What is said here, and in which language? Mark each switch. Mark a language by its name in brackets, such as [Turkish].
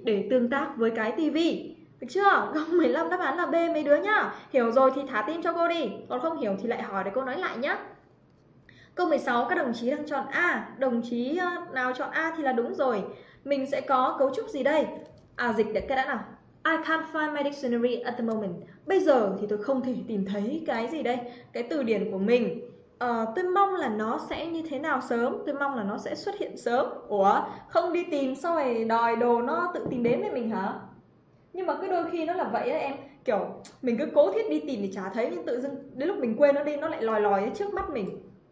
[Vietnamese] Để tương tác với cái TV. Được chưa? Câu 15 đáp án là B mấy đứa nhá. Hiểu rồi thì thả tim cho cô đi, còn không hiểu thì lại hỏi để cô nói lại nhá. Câu 16 các đồng chí đang chọn A, đồng chí nào chọn A thì là đúng rồi. Mình sẽ có cấu trúc gì đây? À dịch được cái đã nào. [English] I can't find my dictionary at the moment. [Vietnamese] Bây giờ thì tôi không thể tìm thấy cái gì đây, cái từ điển của mình. Tôi mong là nó sẽ như thế nào sớm, tôi mong là nó sẽ xuất hiện sớm. Ủa, không đi tìm sao mày đòi đồ nó tự tìm đến với mình hả? Nhưng mà cứ đôi khi nó là vậy đấy em. Kiểu mình cứ cố thiết đi tìm thì chả thấy, nhưng tự dưng đến lúc mình quên nó đi, nó lại lòi lòi trước mắt mình.